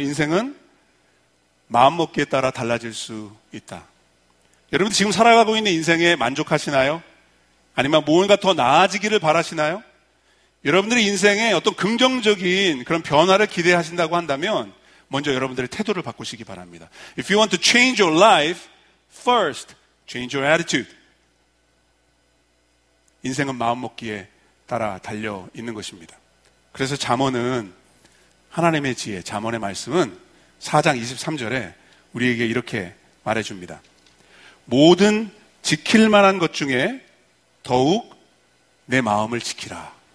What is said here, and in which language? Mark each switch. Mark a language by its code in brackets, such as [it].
[ko] 인생은 마음먹기에 따라 달라질 수 있다. 여러분들 지금 살아가고 있는 인생에 만족하시나요? 아니면 뭔가 더 나아지기를 바라시나요? 여러분들의 인생에 어떤 긍정적인 그런 변화를 기대하신다고 한다면 먼저 여러분들의 태도를 바꾸시기 바랍니다. [en] If you want to change your life, first change your attitude. [ko] 인생은 마음먹기에 따라 달려 있는 것입니다. 그래서 잠언은 하나님의 지혜, 잠언의 말씀은 4장 23절에 우리에게 이렇게 말해줍니다. 모든 지킬 만한 것 중에 더욱 내 마음을 지키라.